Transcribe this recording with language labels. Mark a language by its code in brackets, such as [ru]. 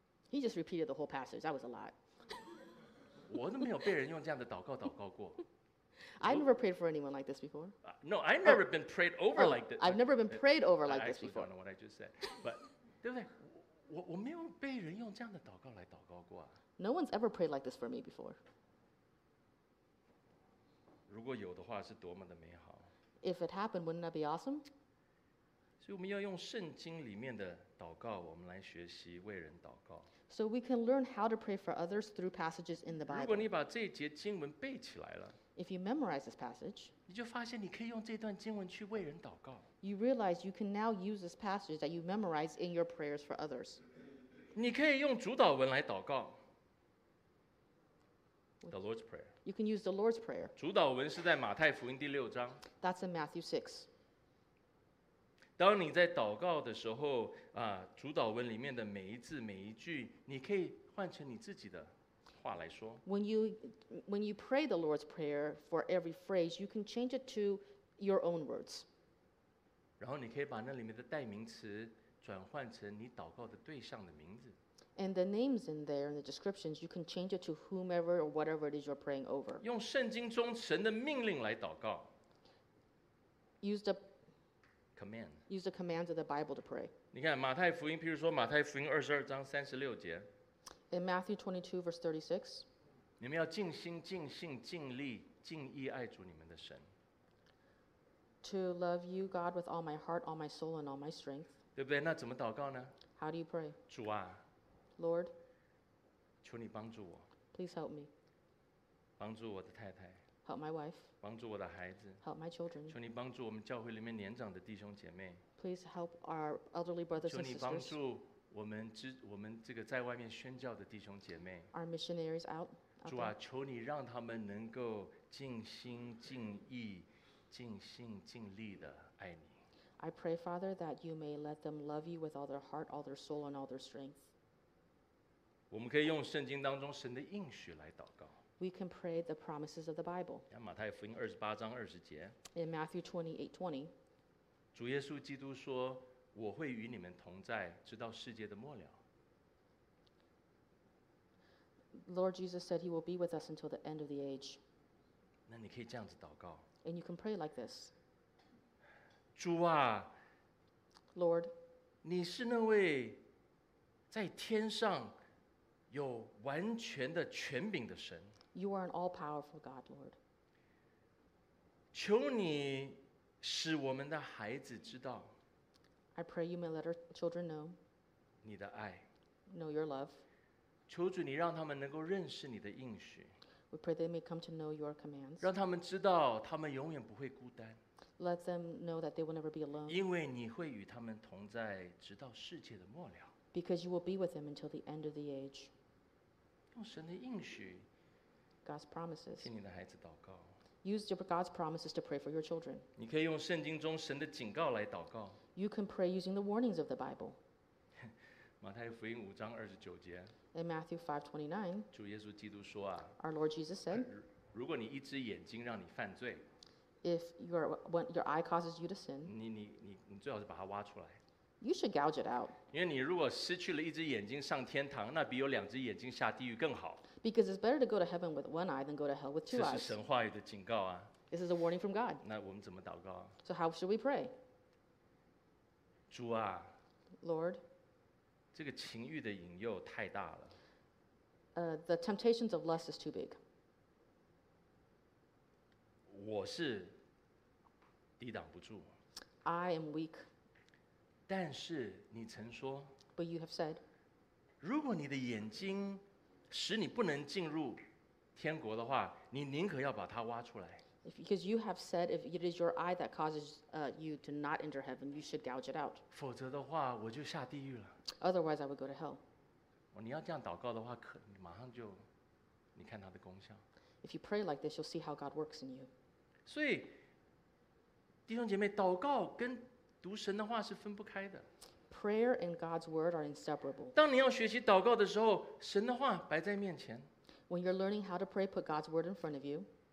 [en] He just repeated the whole passage. That was a lot. I've never prayed for anyone like this before. No, I've never been prayed over like this. I've never been prayed over like this before. I actually don't know what I just said. But, [zh] 对不对？我没有被人用这样的祷告来祷告过啊。 [en] No one's ever prayed like this for me before. [zh] 如果有的话，是多么的美好。 [en] If it happened, wouldn't that be awesome? [zh] 所以我们要用圣经里面的祷告，我们来学习为人祷告。 [en] So we can learn how to pray for others through passages in the Bible. [zh] 如果你把这节经文背起来了 [en] ，If you memorize this passage, [zh] 你就发现你可以用这段经文去为人祷告。 [en] You realize you can now use this passage that you memorize in your prayers for others. [zh] 你可以用主导文来祷告。 [en] The Lord's Prayer. You can use the Lord's Prayer. [zh] 主导文是在马太福音第六章。 [en] That's in Matthew 6. [zh] 当你在祷告的时候，主导文里面的每一字每一句，你可以换成你自己的话来说。 [en] When you pray the Lord's Prayer for every phrase, you can change it to your own words. [zh] 然后你可以把那里面的代名词转换成你祷告的对象的名字。 [en] And the names in there, in the descriptions, you can change it to whomever or whatever it is you're praying over. [zh] 用圣经中神的命令来祷告。 [en] Use the command. Use the commands of the Bible to pray. [zh] 你看马太福音，譬如说马太福音二十二章三十六节。 [en] In Matthew 22 verse 36. [zh] 你们要尽心、尽性、尽力、尽意爱主你们的神。 [en] To love you, God, with all my heart, all my soul, and all my strength. [zh] 对不对？那怎么祷告呢？ [en] How do you pray? [zh] 主啊， [en] Lord, [zh] 求你帮助我。 [en] Please help me. [zh] 帮助我的太太。 [en] Help my wife. [zh] 帮助我的孩子。 [en] Help my children. [zh] 求你帮助我们教会里面年长的弟兄姐妹。 [en] Please help our elderly brothers and sisters. [zh] 求你帮助我们这个在外面宣教的弟兄姐妹。 [en] Our missionaries out. [zh] 主啊，求你让他们能够尽心尽意。尽心尽力的爱你。 [en] I pray, Father, that you may let them love you with all their heart, all their soul, and all their strength. [zh] 我们可以用圣经当中神的应许来祷告。 [en] We can pray the promises of the Bible. [zh] 马太福音二十八章二十节。 [en] In Matthew 28:20. [zh] 主耶稣基督说，我会与你们同在，直到世界的末了。 [en] Lord Jesus said he will be with us until the end of the age. [zh] 那你可以这样子祷告。 [en] And you can pray like this. [zh] 主啊。 [en] Lord. [zh] 你是那位在天上有完全的权柄的神。 [en] You are an all-powerful God, Lord. [zh] 求你使我们的孩子知道。 [en] I pray you may let our children know. [zh] 你的爱。 [en] Know your love. [zh] 求主你让他们能够认识你的应许。 [en] We pray they may come to know your commands. [zh] 让他们知道他们永远不会孤单。 [en] Let them know that they will never be alone. [zh] 因为你会与他们同在，直到世界的末了。 [en] Because you will be with them until the end of the age. [zh] 用神的应许。 [en] God's promises. [zh] 替你的孩子祷告。 [en] Use God's promises to pray for your children. [zh] 你可以用圣经中神的警告来祷告。 [en] You can pray using the warnings of the Bible. [zh] 马太福音五章二十九节。 [en] In Matthew 5:29, [zh] 主耶稣基督说啊, [en] our Lord Jesus said, [zh] 如果你一只眼睛让你犯罪, [en] if your eye causes you to sin, [zh] 你最好是把它挖出来, [en] you should gouge it out. [zh] 因为你如果失去了一只眼睛上天堂, 那比有两只眼睛下地狱更好。 [en] Because it's better to go to heaven with one eye than go to hell with two eyes. [zh] 这是神话语的警告啊。 [en] This is a warning from God. [zh] 那我们怎么祷告啊? [en] So how should we pray? [zh] 主啊, [en] Lord, [zh] 这个情欲的引诱太大了。 [en] The temptations of lust is too big. [zh] 我是抵挡不住。 [en] I am weak. [zh] 但是你曾说。 [en] But you have said. [zh] 如果你的眼睛使你不能进入天国的话，你宁可要把它挖出来。 [en] Because you have said if it is your eye that causes you to not enter heaven, you should gouge it out. [zh] 否则的话，我就下地狱了。 [en] Otherwise, I would go to hell. [zh] 你要这样祷告的话，可马上就，你看它的功效。 [en] If you pray like this, you'll see how God works in you. [zh] 所以，弟兄姐妹，祷告跟读神的话是分不开的。 [en] Prayer and God's word are inseparable. [zh] 当你要学习祷告的时候，神的话摆在面前。 [en] When you're learning how to pray, put God's word in front of you.